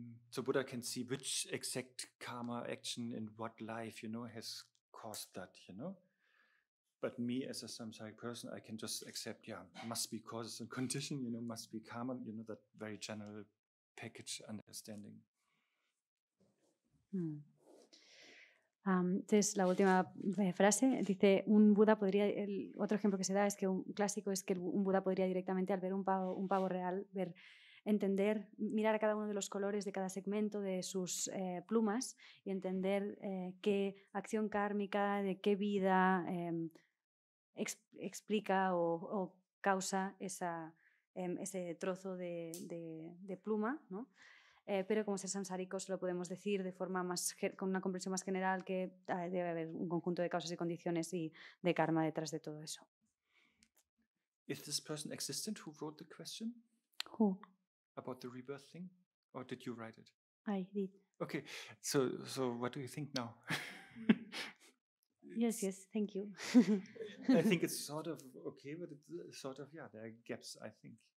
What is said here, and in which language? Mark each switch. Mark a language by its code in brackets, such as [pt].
[en] So Buddha can see which exact karma action in what life, you know, has caused that, you know. But me as a samsaric person, I can just accept, yeah, must be causes and condition, you know, must be karma, you know, that very general package understanding. [es] Entonces, la última frase dice, un Buda podría, el otro ejemplo que se da es que un clásico es que un Buda podría directamente al ver un pavo real, ver, entender, mirar a cada uno de los colores de cada segmento de sus plumas y entender qué acción kármica, de qué vida explica o causa esa, ese trozo de pluma, ¿no? Pero como ser samsárico lo podemos decir de forma más, con una comprensión más general, que debe haber un conjunto de causas y condiciones y de karma detrás de todo eso. [en] Is this person existent who wrote the question? Who? About the rebirth thing? Or did you write it? I did. Okay, so what do you think now? Yes, thank you. I think it's sort of okay, but it's sort of, yeah, there are gaps, I think.